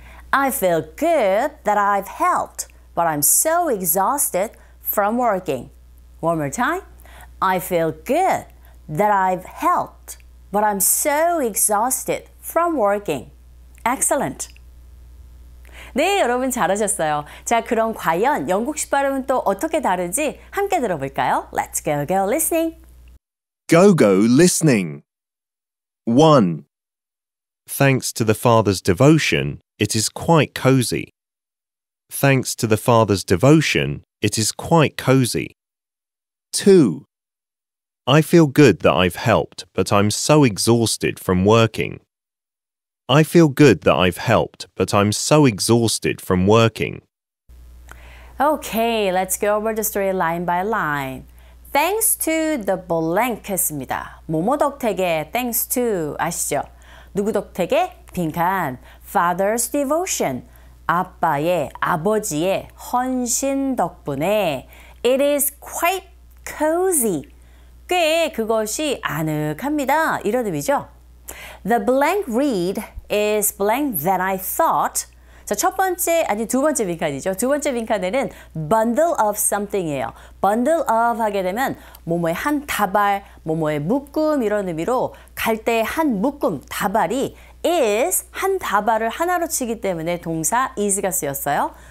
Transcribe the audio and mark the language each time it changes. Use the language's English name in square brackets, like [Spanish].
[English] I feel good that I've helped, but I'm so exhausted from working. One more time. I feel good that I've helped, but I'm so exhausted from working. Excellent. [Korean] 네, 여러분 잘하셨어요. 자, 그럼 과연 영국식 발음은 또 어떻게 다른지 함께 들어볼까요? [English] Let's go, go, listening. Go, go, listening. 1. Thanks to the father's devotion, it is quite cozy. Thanks to the father's devotion, it is quite cozy. 2. I feel good that I've helped, but I'm so exhausted from working. I feel good that I've helped, but I'm so exhausted from working. Okay, let's go over the story line by line. Thanks to the blank [Korean] 입니다. 뭐뭐 덕택에 [English] thanks to [Korean] 아시죠? 누구 덕택에? 빈칸. [English] Father's devotion. [Korean] 아빠의, 아버지의 헌신 덕분에. [English] It is quite cozy. [Korean] 꽤 그것이 아늑합니다. 이런 의미죠? [English] The blank read is blank than I thought. [Korean] 자, 첫 번째, 아니 두 번째 빈칸이죠. 두 번째 빈칸에는 [English] bundle of something [Korean] 이에요. bundle of 하게 되면 뭐뭐의 한 다발, 뭐뭐의 묶음 이런 의미로 갈 때 한 묶음, 다발이 is 한 다발을 하나로 치기 때문에 동사 is가 쓰였어요.